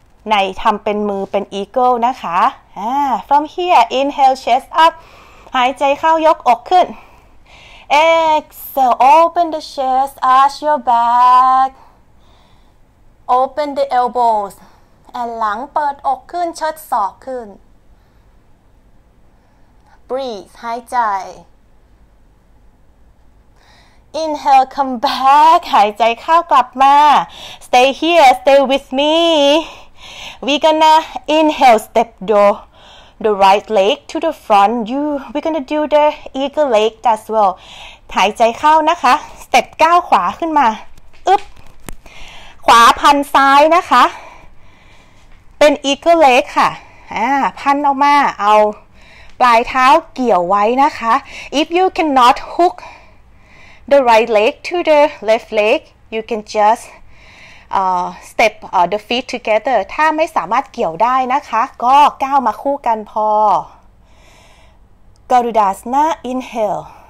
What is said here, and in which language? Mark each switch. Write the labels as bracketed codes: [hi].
[th] ในทำเป็นมือเป็น Eagle นะคะ [en] From here inhale chest up [th] หายใจเข้ายกอกขึ้น [en] Exhale open the chest arch your back open the elbows and [th] หลังเปิดอกขึ้นเชิดศอกขึ้น [en] Breathe หายใจ Inhale come back [th] หายใจเข้ากลับมา [en] Stay here stay with meWe're gonna inhale, step the right leg to the front. We're gonna do the eagle leg as well. [th] หายใจเข้านะคะ step ก้าวขวาขึ้นมาอึ๊บขวาพันซ้ายนะคะเป็น eagle leg ค่ะพันออกมาเอาปลายเท้าเกี่ยวไว้นะคะ [en] If you cannot hook the right leg to the left leg, you can juststep the feet together [th] ถ้าไม่สามารถเกี่ยวได้นะคะก็ก้าวมาคู่กันพอ Garudasana inhale